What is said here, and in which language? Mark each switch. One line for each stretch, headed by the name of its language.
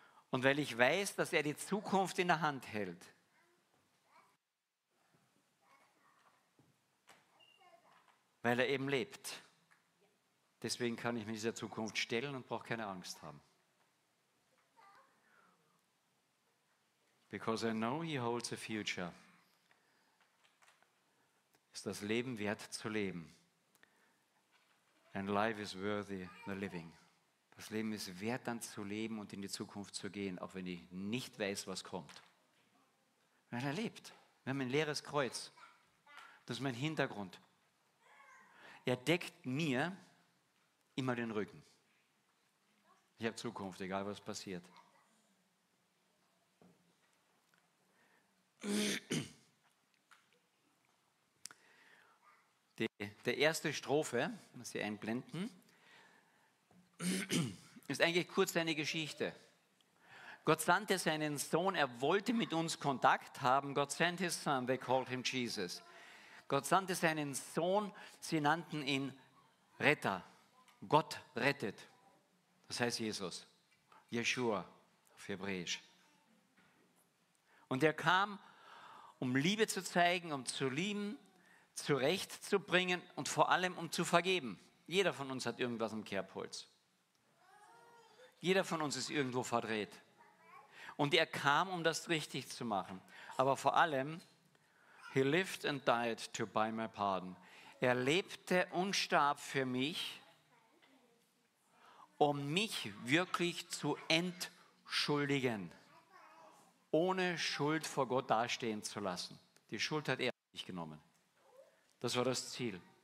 German: Und weil ich weiß, dass er die Zukunft in der Hand hält, weil er eben lebt. Deswegen kann ich mich dieser Zukunft stellen und brauche keine Angst haben.
English: Because I know he holds a future.
German: Ist das Leben wert zu leben?
English: And life is worthy the living.
German: Das Leben ist wert dann zu leben und in die Zukunft zu gehen, auch wenn ich nicht weiß, was kommt. Weil er lebt. Wir haben ein leeres Kreuz. Das ist mein Hintergrund. Er deckt mir immer den Rücken. Ich habe Zukunft, egal was passiert. Die erste Strophe, muss ich einblenden, ist eigentlich kurz eine Geschichte. Gott sandte seinen Sohn, er wollte mit uns Kontakt haben.
English: God sent his son, they called him Jesus.
German: Gott sandte seinen Sohn, sie nannten ihn Retter. Gott rettet. Das heißt Jesus. Yeshua auf Hebräisch. Und er kam, um Liebe zu zeigen, um zu lieben, zurechtzubringen und vor allem um zu vergeben. Jeder von uns hat irgendwas im Kerbholz. Jeder von uns ist irgendwo verdreht. Und er kam, um das richtig zu machen. Aber vor allem,
English: he lived and died to buy my pardon.
German: Er lebte und starb für mich, um mich wirklich zu entschuldigen. Ohne Schuld vor Gott dastehen zu lassen. Die Schuld hat er auf sich genommen. Das war das Ziel.